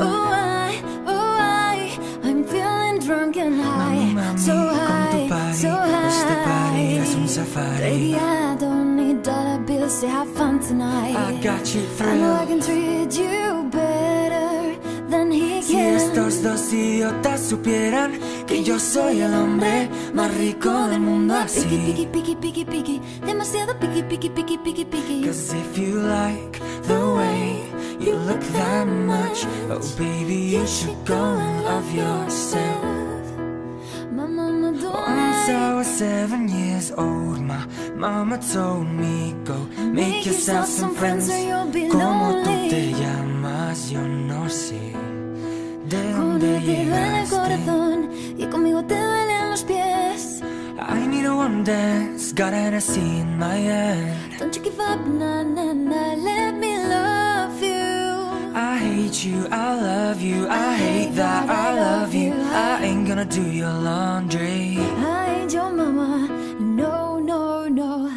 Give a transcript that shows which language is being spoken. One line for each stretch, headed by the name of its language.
English: Oh I, I'm feeling drunk and high.
Spanish: Mami, mami,
English: so high, party. So high. The party is on safari. Baby, I don't need dollar bills. Say, have fun tonight. I got you thrilled. I know I can treat you better.
Spanish: Si estos dos idiotas supieran que yo soy el hombre más rico del mundo así. Piki piki piki piki piki, demasiado piki piki piki piki piki.
English: 'Cause if you like the way you look that much, oh baby, you should go and love yourself. Mama, mama, don't. Once I was 7 years old, my mama told me go make yourself some friends.
Spanish: Como tú te llamas, yo no sé. Conmigo te duele el corazón y conmigo te duelen los pies.
English: I need a one dance, got an AC in my head. Don't you give up, na-na-na, let me love you. I hate you, I love you, I hate that, I love you. I ain't gonna do your laundry. I ain't your mama, no, no, no.